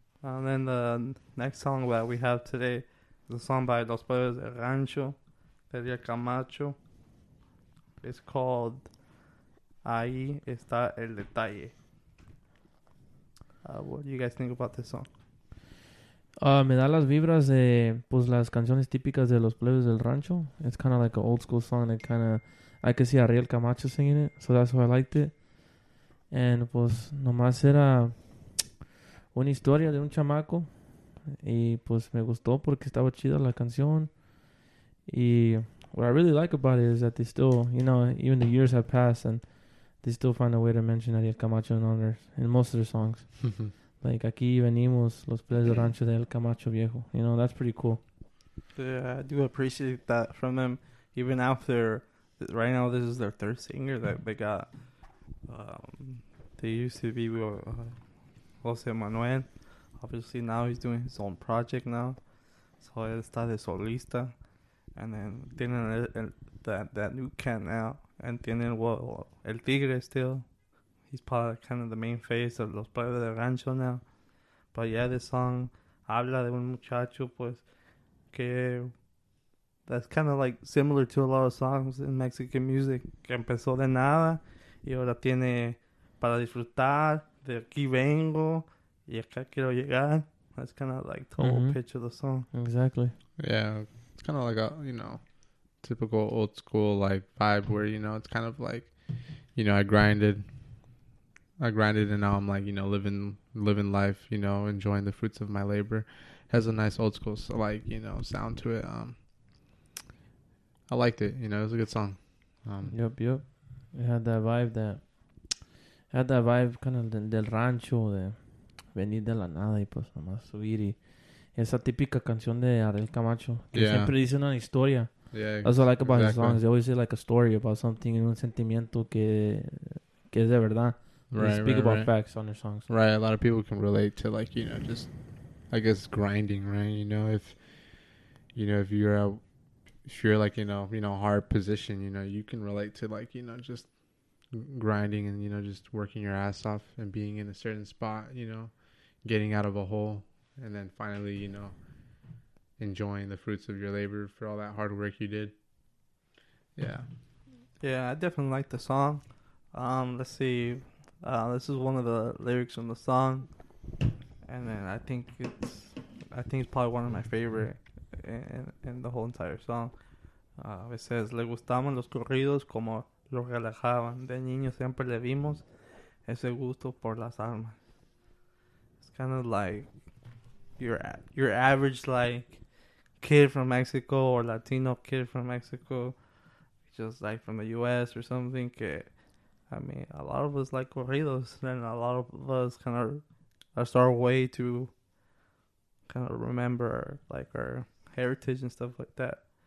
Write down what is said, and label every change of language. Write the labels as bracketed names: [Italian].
[English] And then the next song that we have today is a song by Los Padres de Rancho, Feria Camacho. It's called Ahí Está El Detalle. What do you guys think about this song? [Spanish] Me da las vibras de pues las canciones típicas de Los Plebes del Rancho. [English] It's kind of like an old school song. That kind of, I could see Ariel Camacho singing it, so that's why I liked it. [Spanish] And pues nomás era una historia de un chamaco, y pues me gustó porque estaba chida la canción. [English] Y what I really like about it is that they still, you know, even the years have passed and they still find a way to mention Ariel Camacho in most of their songs. [Spanish] Like, aquí venimos, los Plebes del Rancho del Camacho Viejo. [English] You know, that's pretty cool. Yeah, I do appreciate that from them. Even after, right now this is their third singer that they got. They used to be Jose Manuel. Obviously, now he's doing his own project now. So, [Spanish] él está de solista. [English] And then, tienen that new cat now. And tienen, El Tigre still. He's probably kind of the main face of Los Padres de Rancho now. But yeah, this song [Spanish] habla de un muchacho, pues, que [English] that's kind of like similar to a lot of songs in Mexican music. [Spanish] Que empezó de nada y ahora tiene para disfrutar de aquí vengo y acá quiero llegar. [English] That's kind of like the whole pitch of the song. Exactly. Yeah, it's kind of like a, you know, typical old school like vibe where, you know, it's kind of like, you know, I grinded and now I'm like, you know, living life, you know, enjoying the fruits of my labor. Has a nice old school, so like, you know, sound to it. I liked it, you know, it was a good song. [Spanish] Yep. [English] It had that vibe kind of [Spanish] del rancho, de venir de la nada y pues nomás subir. Y esa típica canción de Ariel Camacho, que yeah. Siempre dice una historia. [English] Yeah, that's what I like about exactly. His songs. They always say like a story about something, [Spanish] un sentimiento que es de verdad. [English] Right, they speak about facts on their songs. Right, a lot of people can relate to, like, you know, just, I guess, grinding, right? If you're in a hard position, you know, you can relate to, like, you know, just grinding and, you know, just working your ass off and being in a certain spot, you know, getting out of a hole and then finally, you know, enjoying the fruits of your labor for all that hard work you did. Yeah. Yeah, I definitely like the song. Let's see. This is one of the lyrics from the song, and then I think it's probably one of my favorite in the whole entire song. [Spanish] It says, "Le gustaban los corridos como los relajaban. De niño siempre le vimos ese gusto por las armas." [English] It's kind of like your average like kid from Mexico or Latino kid from Mexico, just like from the U.S. or something. I mean, a lot of us like corridos, and a lot of us kind of, that's our way to kind of remember, like, our heritage and stuff like that.